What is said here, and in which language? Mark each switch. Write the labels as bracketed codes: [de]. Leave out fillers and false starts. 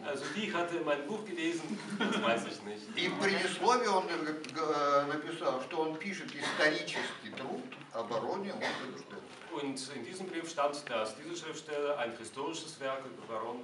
[de] Also wie hat er mein Buch gelesen? [ru] И в предисловии он написал, что он пишет исторический труд об обороне Ингельштейна. [de] Und in diesem Brief stand, dass diese Schriftsteller ein historisches Werk über Baron